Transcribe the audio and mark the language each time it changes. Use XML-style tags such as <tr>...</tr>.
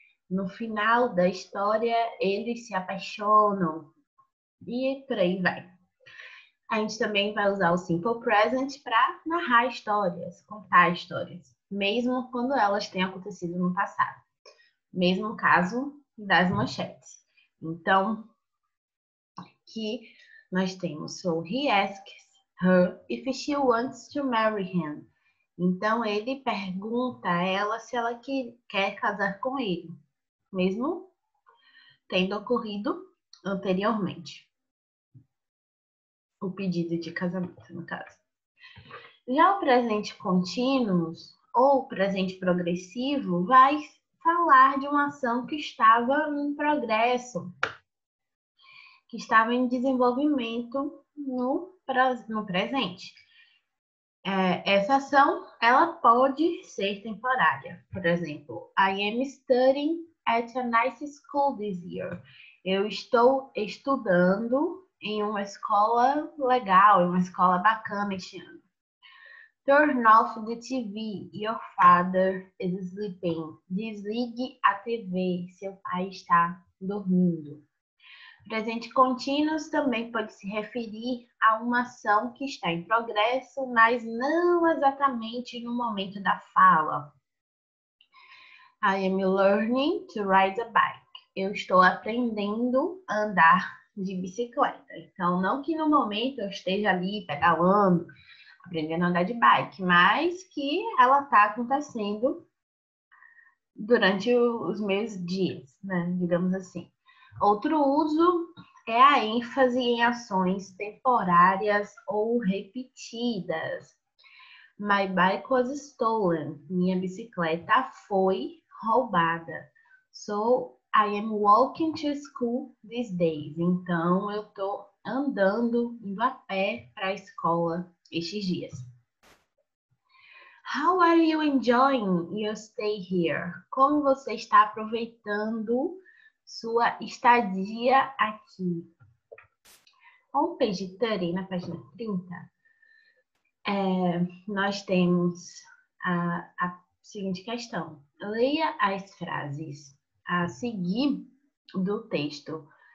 <pt>No final da história, eles se apaixonam e por aí vai. A gente também vai usar o simple present para narrar histórias, contar histórias, mesmo quando elas tenham acontecido no passado. Mesmo caso das manchetes. Então, aqui nós temos:</pt> <en>So he asks her if she wants to marry him.</en> <pt>Então, ele pergunta a ela se ela quer casar com ele, mesmo tendo ocorrido anteriormente o pedido de casamento, no caso. Já o presente contínuo ou o presente progressivo vai falar de uma ação que estava em progresso, que estava em desenvolvimento no presente. Essa ação, ela pode ser temporária. Por exemplo,</pt> <en>I am studying at a nice school this year.</en> <pt>Eu estou estudando em uma escola legal, em uma escola bacana este ano.</pt> <en>Turn off the TV. Your father is sleeping.</en> <pt>Desligue a TV. Seu pai está dormindo. Presente contínuo também pode se referir a uma ação que está em progresso, mas não exatamente no momento da fala.</pt> <en>I am learning to ride a bike.</en> <pt>Eu estou aprendendo a andar de bicicleta. Então, não que no momento eu esteja ali pedalando, aprendendo a andar de bike, mas que ela está acontecendo durante os meus dias, né? Digamos assim. Outro uso é a ênfase em ações temporárias ou repetidas.</pt> <en>My bike was stolen.</en> <pt>Minha bicicleta foi roubada.</pt> <en>So I am walking to school these days.</en> <pt>Então eu estou andando, indo a pé para a escola estes dias.</pt> <en>How are you enjoying your stay here?</en> <pt>Como você está aproveitando sua estadia aqui?</pt> <en>On page 30,</en> <pt>na página 30, nós temos a seguinte questão. Leia as frases a seguir do texto.</pt>